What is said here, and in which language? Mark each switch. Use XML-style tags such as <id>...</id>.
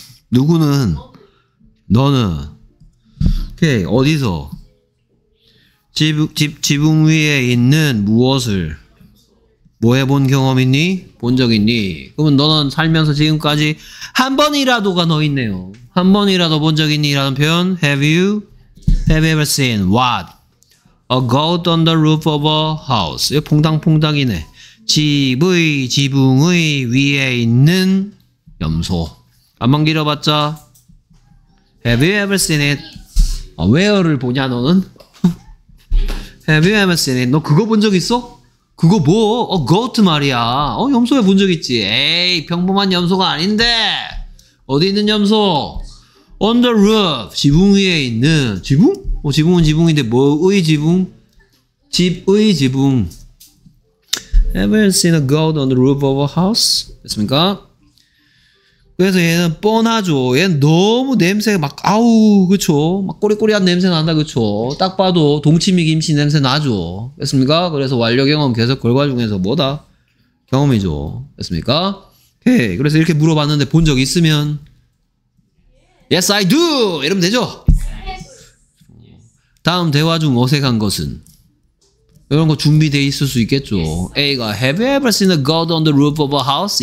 <ko>누구는? 너는? 오케이. 어디서? 지붕 위에 있는 무엇을? 뭐 해본 경험 있니? 본 적 있니? 그러면 너는 살면서 지금까지 한 번이라도가 너 있네요. 한 번이라도 본 적 있니? 라는 표현.</ko> <en>Have you? Have you ever seen what? A goat on the roof of a house.</en> <ko>이거 퐁당퐁당이네. 집의 지붕의 위에 있는 염소. 앞만 길어봤자.</ko> <en>Have you ever seen it?</en> <ko>Where를 보냐 너는?</ko> <en>Have you ever seen it?</en> <ko>너 그거 본 적 있어? 그거 뭐? 어, goat 말이야. 어, 염소야 본 적 있지. 에이, 평범한 염소가 아닌데. 어디 있는 염소?</ko> <en>On the roof.</en> <ko>지붕 위에 있는. 지붕? 어, 지붕은 지붕인데 뭐의 지붕? 집의 지붕.</ko> <en>Ever seen a goat on the roof of a house?</en> <ko>됐습니까? 그래서 얘는 뻔하죠. 얘는 너무 냄새 막 아우 그쵸? 막 꼬리꼬리한 냄새 난다 그쵸? 딱 봐도 동치미 김치 냄새 나죠. 됐습니까? 그래서 완료 경험 계속 결과 중에서 뭐다? 경험이죠. 됐습니까? 오케이. 그래서 이렇게 물어봤는데 본 적 있으면</ko> <en>Yes, I do!</en> <ko>이러면 되죠? 다음 대화 중 어색한 것은? 이런 거 준비되어 있을 수 있겠죠. A가</ko> <en>Have you ever seen a goat on the roof of a house?</en>